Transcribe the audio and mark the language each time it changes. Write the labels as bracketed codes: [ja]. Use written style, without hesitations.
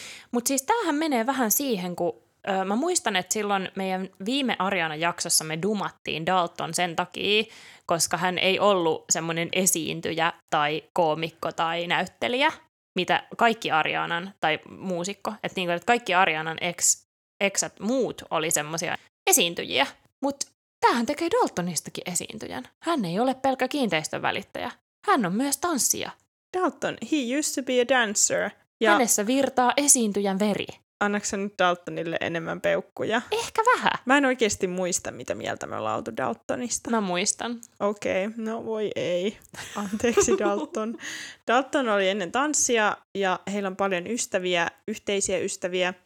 [fi] Mutta siis tämähän menee vähän siihen, kun mä muistan, että silloin meidän viime Ariana-jaksossa me dumattiin Dalton sen takia, koska hän ei ollut semmoinen esiintyjä tai koomikko tai näyttelijä. Mitä kaikki Arianan, tai muusikko, että, niinku, että kaikki Arianan exat muut oli semmoisia esiintyjiä. Mutta tämähän tekee Daltonistakin esiintyjän. Hän ei ole pelkä kiinteistövälittäjä. Hän on myös tanssija. [en] Dalton, he used to be a dancer. [fi] Ja hänessä virtaa esiintyjän veri. Annaks sä nyt Daltonille enemmän peukkuja? Ehkä vähän. Mä en oikeasti muista, mitä mieltä me ollaan oltu Daltonista. Mä muistan. Okei, no voi ei. Anteeksi Dalton. Dalton oli ennen tanssia ja heillä on paljon ystäviä, yhteisiä ystäviä.